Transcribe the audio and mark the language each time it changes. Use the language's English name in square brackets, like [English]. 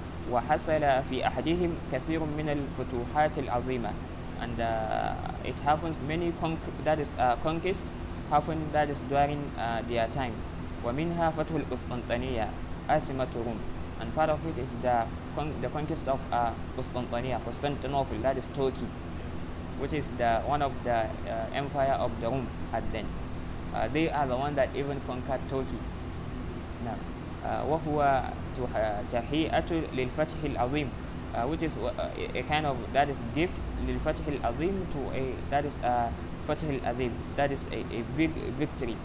[Arabic] وحصل في أحدهم كثير من الفتوحات العظيمة. [English] And it happens many conquest happened, that is during their time. [Arabic] ومنها فتح القسطنطينية عاصمة روم. [English] And part of it is the conquest of Constantinople, Constantinople, that is Turkey, which is the one of the empire of the Rome at then. They are the one that even conquered Turkey. Now, [Arabic] وهو تحيئة للفتح العظيم, [English] which is a kind of, that is gift [Arabic] للفتح العظيم, [English] to a, that is [Arabic] فتح العظيم, [English] that is a big victory.